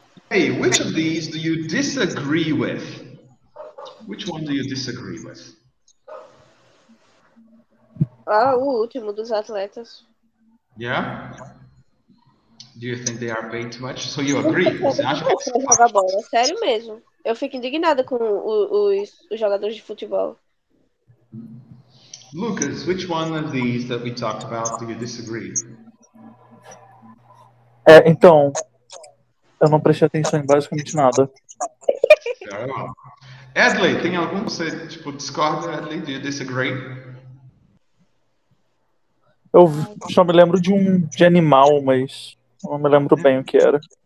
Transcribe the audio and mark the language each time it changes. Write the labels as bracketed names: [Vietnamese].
[English] Hey, which of these do you disagree with? Which one do you disagree with? [Portuguese] Ah, o último dos atletas. [English] Yeah? Do you think they are paid too much? So you agree? [Portuguese] Joga bola. Sério mesmo. Eu fico indignada com os jogadores de futebol. [English] Lucas, which one of these that we talked about do you disagree? [Portuguese] Então, eu não prestei atenção em basicamente nada. Adley, tem algum que você tipo, discorda, Adley? [English] Do you disagree? [Portuguese] Eu só me lembro de um de animal, mas não me lembro bem o que era.